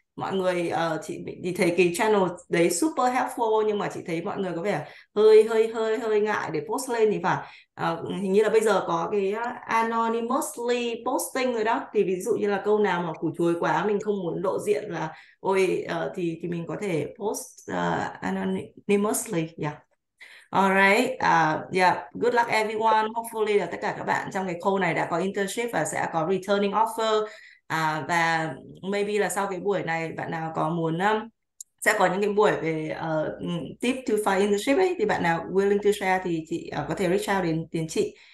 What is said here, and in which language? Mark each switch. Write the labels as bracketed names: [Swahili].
[Vietnamese] Mọi người chị thấy cái channel đấy [English] super helpful, [Vietnamese] nhưng mà chị thấy mọi người có vẻ hơi hơi hơi hơi ngại để post lên thì phải. Hình như là bây giờ có cái anonymously posting rồi đó, thì ví dụ như là câu nào mà củ chuối quá mình không muốn lộ diện là ôi thì mình có thể post anonymously. [English] Alright, good luck everyone. [Vietnamese] Hopefully là tất cả các bạn trong cái call này đã có internship và sẽ có returning offer. Và maybe là sau cái buổi này bạn nào có muốn sẽ có những cái buổi về tip to find internship ấy, thì bạn nào [English] willing to share [Vietnamese] thì chị có thể reach out đến chị.